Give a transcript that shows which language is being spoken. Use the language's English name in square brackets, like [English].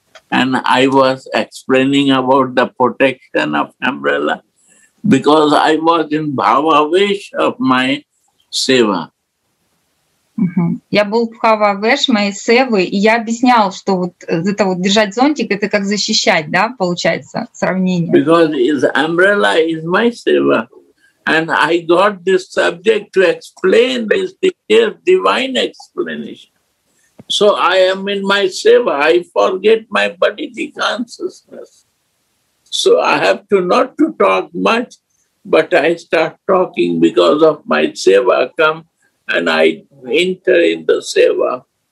[English] And I was explaining about the protection of umbrella because I was in bhava-vesh of my seva. [Russian] Я был в бхава-веш моей севы, и я объяснял, что вот это вот держать зонтик, это как защищать, да, получается, сравнение. [English] Because his umbrella is my seva. And I got this subject to explain this divine explanation. So I am in my seva, I forget my bodily consciousness. So I have to not to talk much, but I start talking because of my seva come and I enter in the seva.